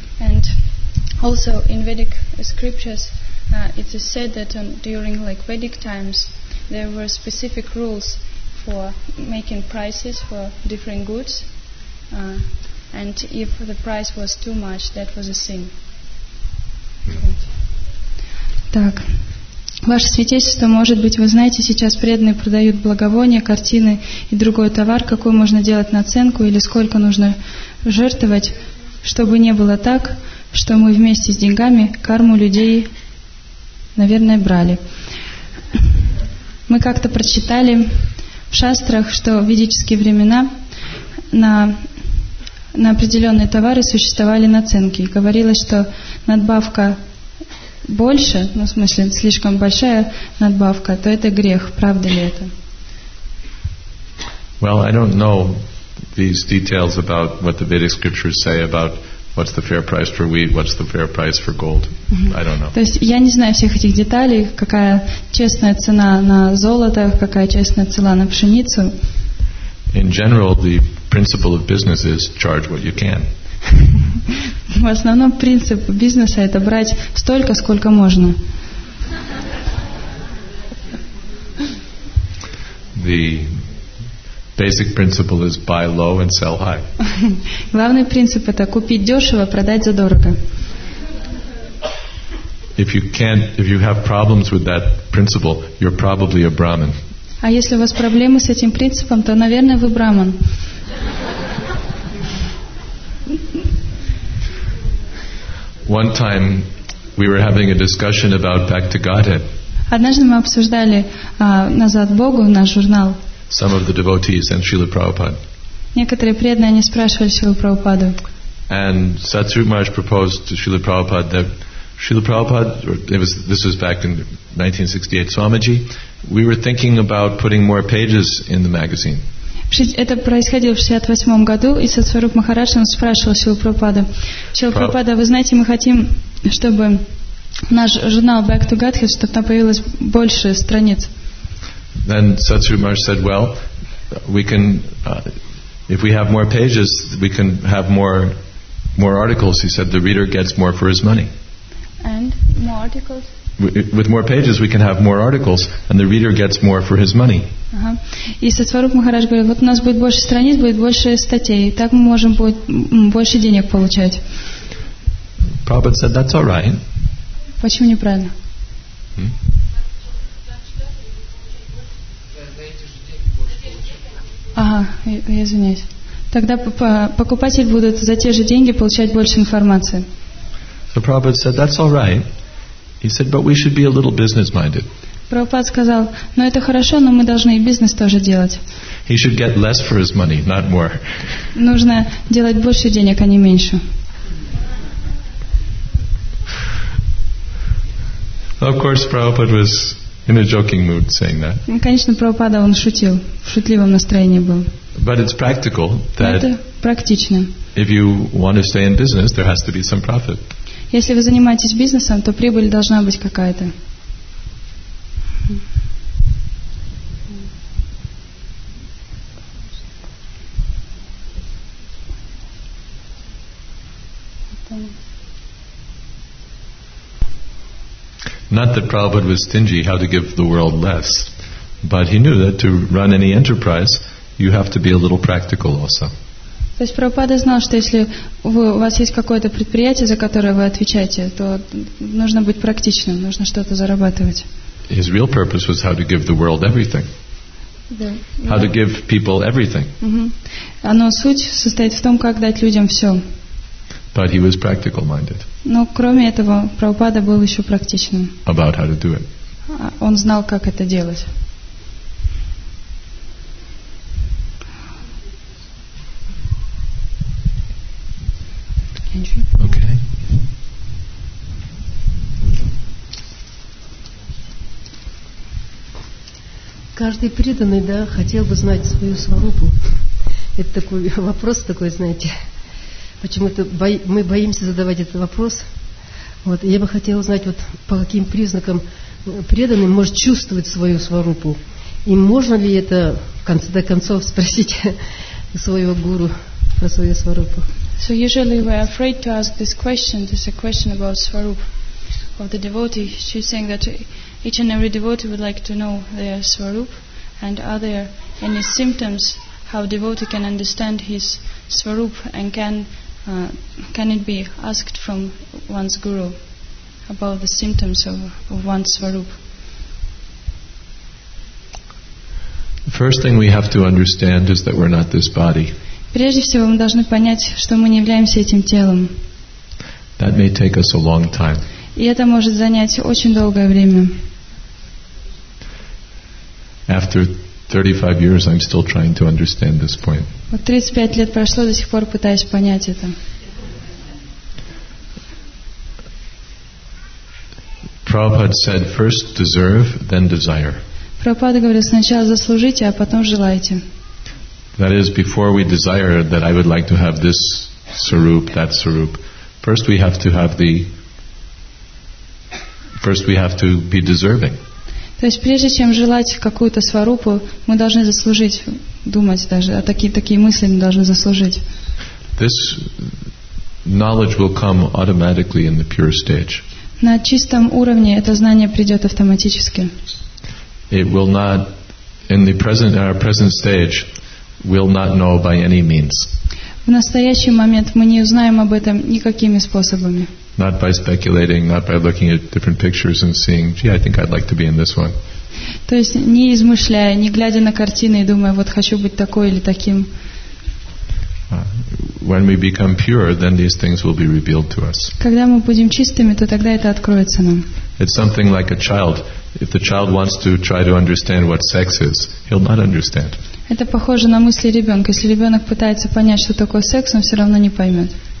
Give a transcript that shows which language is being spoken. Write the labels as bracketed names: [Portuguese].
[English] And also in Vedic scriptures it is said that during like Vedic times there were specific rules for making prices for different goods. And if the price was too much, that was a sin. [Russian] Так. Ваше свидетельство, может быть, вы знаете, сейчас преданные продают благовония, картины и другой товар. Какую можно делать наценку или сколько нужно жертвовать, чтобы не было так, что мы вместе с деньгами карму людей, наверное, брали. Мы как-то прочитали в шастрах, что в ведические времена на определенные товары существовали наценки. Говорилось, что надбавка больше, ну, в смысле, слишком большая надбавка, то это грех. Правда ли это? [English] Well, I don't know these details about what the Vedic scriptures say about what's the fair price for wheat, what's the fair price for gold. I don't know. [Russian] То есть я не знаю всех этих деталей, какая честная цена на золото, какая честная цена на пшеницу. [English] In general, the principle of business is charge what you can. [Russian] В основном принцип бизнеса это брать столько, сколько можно. [English] The basic principle is buy low and sell high. [Russian] Главный принцип это купить дешево, продать задорого. [English] If you have problems with that principle, you're probably a Brahmin. [Russian] А если у вас проблемы с этим принципом, то, наверное, вы брахман. [English] One time we were having a discussion about Bhakti Godhead. [Russian] Однажды мы обсуждали назад Богу наш журнал. [English] Some of the devotees and Srila Prabhupada. [Russian] Некоторые преданные они спрашивали Шрилу Прабхупаду. [English] And Satsuri Maharaj proposed to Srila Prabhupada that Srila Prabhupada, this was back in 1968, Swamiji, we were thinking about putting more pages in the magazine. [Russian] Это происходило в 68 году, и Сатсваруп Махарадж спрашивал Шрилу Прабхупаду: Шрила Прабхупада, вы знаете, мы хотим, чтобы наш журнал Back to Godhead, чтобы там появилось больше страниц. [English] Then Satsuri Maharaj said, well, we can... If we have more pages, we can have more articles. He said the reader gets more for his money. And more articles? With more pages, we can have more articles, and the reader gets more for his money. [Russian] И Сатсваруп Махарадж говорит, вот у нас будет больше страниц, будет больше статей, так мы можем будет больше денег получать. [English] Prabhupada said, that's all right. [Russian] Почему неправильно? Ага, я извиняюсь. Тогда покупатели будут за те же деньги получать больше информации. [English] So Prabhupada said, that's all right. He said, but we should be a little business-minded. [Russian] Prabhupada сказал, ну это хорошо, но мы должны и бизнес тоже делать. [English] He should get less for his money, not more. [Russian] Нужно делать больше денег, а не меньше. [English] Of course, Prabhupada was... In a joking mood, saying that. [Russian] Конечно, Прабхупада он шутил, в шутливом настроении был. [English] But it's practical that. [Russian] Это практично. [English] If you want to stay in business, there has to be some profit. [Russian] Если вы занимаетесь бизнесом, то прибыль должна быть какая-то. [English] Not that Prabhupada was stingy how to give the world less, but he knew that to run any enterprise you have to be a little practical also. [Russian] То есть Прабхупада знал, что если у вас есть какое-то предприятие, за которое вы отвечаете, то нужно быть практичным, нужно что-то зарабатывать. [English] His real purpose was how to give the world everything. How to give people everything. [Russian] Оно суть состоит в том, как дать людям все. [English] But he was practical minded. [Russian] Но кроме этого, Прабхупада был еще практичным. [English] About how to do it. [Russian] Он знал, как это делать. [English] Okay. [Russian] Каждый преданный, да, хотел бы знать свою сварупу. Это такой вопрос такой, знаете. Почему-то мы боимся задавать этот вопрос. Вот, я бы хотела узнать, вот, по каким признакам преданный может чувствовать свою сварупу. И можно ли это в конце до концов спросить своего гуру про свою сварупу? [English] So usually we are afraid to ask this question. This is a question about swarup of the devotee. She's saying that each and every devotee would like to know their swarup. And are there any symptoms how a devotee can understand his swarup and can it be asked from one's guru about the symptoms of one's swarup? The first thing we have to understand is that we're not this body. [Russian] Прежде всего, мы должны понять, что мы не являемся этим телом. [English] That may take us a long time. [Russian] И это может занять очень долгое время. [English] After 35 years, I'm still trying to understand this point. [Russian] Вот 35 лет прошло, до сих пор пытаюсь понять это. [English] Prabhupada said, first deserve, then desire. [Russian] Прабхупада говорил, сначала заслужите, а потом желайте. [English] That is, before we desire that I would like to have this sarup, that sarup, first we have to be deserving. [Russian] То есть прежде чем желать какую-то сварупу, мы должны заслужить, думать даже, а такие мысли мы должны заслужить. [English] This knowledge will come automatically in the pure stage. [Russian] На чистом уровне это знание придет автоматически. [English] It will not, in our present stage, we'll not know by any means. [Russian] В настоящий момент мы не узнаем об этом никакими способами. [English] Not by speculating, not by looking at different pictures and seeing, gee, I think I'd like to be in this one. [Russian] То есть не измышляя, не глядя на картины и думая, вот хочу быть такой или таким. [English] When we become pure, then these things will be revealed to us. [Russian] Когда мы будем чистыми, то тогда это откроется нам. [English] It's something like a child. If the child wants to try to understand what sex is, he'll not understand. [Russian] Это похоже на мысли ребенка. Если ребенок пытается понять, что такое секс, он все равно не поймет.